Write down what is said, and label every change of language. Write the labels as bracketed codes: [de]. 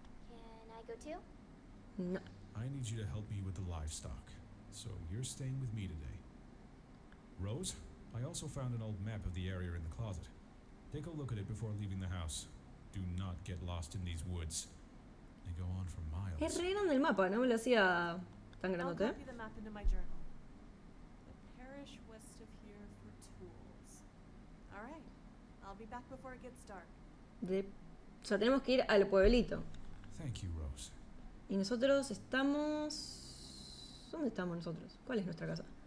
[en] Can I go too? No. I need you to help me with the livestock, so you're staying with me today. Rose? I also found an old map of the area in the closet. Take a look at it before leaving the house. Do not get lost in these woods. They go on for miles. [es] Es re grande el mapa, no me lo hacía tan grande, ¿eh? [en] I'll copy the map into my journal. The parish west of here for tools. All right. I'll be back before it gets dark. [es] O sea, tenemos que ir al pueblito. [en] Thank you, Rose. [es] Y nosotros estamos... ¿Dónde estamos nosotros? ¿Cuál es nuestra casa?